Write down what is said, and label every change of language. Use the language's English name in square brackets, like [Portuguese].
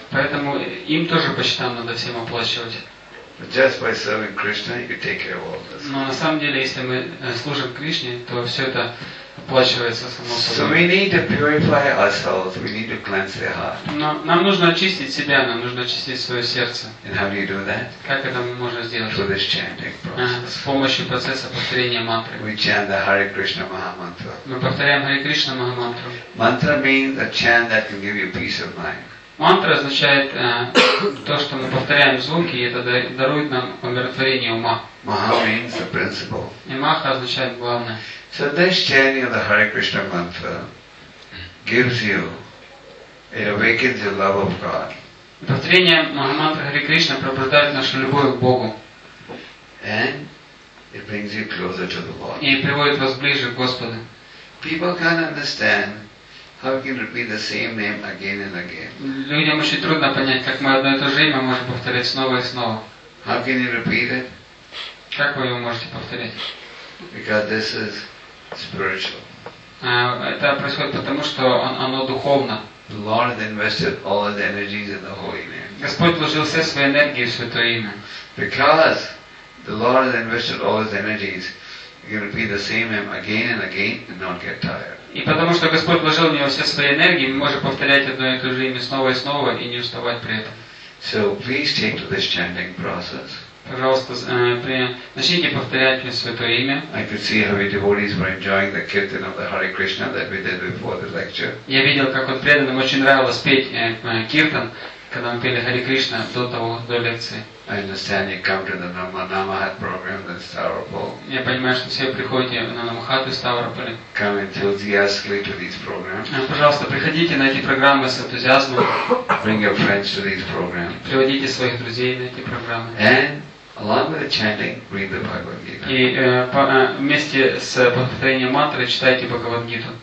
[Russian] Поэтому им тоже по счетам надо всем оплачивать. [English] But just by serving Krishna, you can take care of all this. [Russian] Но на самом деле, если мы служим Кришне, то все это оплачивается само собой. [English] So we need to purify ourselves. We need to cleanse the heart. [Russian] Но нам нужно очистить себя, нам нужно очистить свое сердце. [English] And how do you do that? [Russian] Как это мы можем сделать? [English] Through this chanting process. [Russian] С помощью процесса повторения мантры. [English] We chant the Hare Krishna Mahamantra. [Russian] Мы повторяем Hare Krishna Mahamantra. [English] Mantra means a chant that can give you peace of mind. [Russian] Мантра означает то, что мы повторяем звуки, и это дарует нам умиротворение ума. [English] Maha means the principle. [Russian] И маха означает главное. [English] So this chanting of the Hare Krishna mantra gives you, it awakens your love of God. [Russian] Повторение Махамантры Hare Krishna пробуждает нашу любовь к Богу. [English] And it brings you closer to the Lord. [Russian] И приводит вас ближе к Господу. [English] People can't understand how you can repeat the same name again and again. [Russian] Людям очень трудно понять, как мы одно и то же имя можем повторять снова и снова. [English] How can you repeat it? [Russian] Как вы его можете повторять? [English] Because this is spiritual. [Russian] Это происходит потому, что оно духовно. [English] The Lord invested all his energies in the holy name. [Russian] Господь вложил все свои энергии в святое имя. [English] Because the Lord has invested all his energies, you can repeat the same name again and again and not get tired. [Russian] И потому что Господь вложил в него все свои энергии, мы можем повторять одно и то же имя снова и снова и не уставать при этом. [English] So please take to this chanting process. [Russian] Пожалуйста, начните повторять мне святое имя. [English] I could see how your devotees were enjoying the kirtan of the Hare Krishna that we did before the lecture. [Russian] Я видел, как вот преданным очень нравилось петь киртан, когда мы пели Hare Krishna до того, до лекции. [English] I understand you come to the Namahat program in Stavropol. [Russian] Я понимаю, что все приходите на Намахат и Ставрополь. [English] Come enthusiastically to these programs. [Russian] Пожалуйста, приходите на эти программы с энтузиазмом. [English] Bring your friends to these programs. [Russian] Приводите своих друзей на эти программы. [English] And along with the chanting, read the Bhagavad Gita. [Russian] И вместе с повторением мантры читайте Бхагавад Гиту.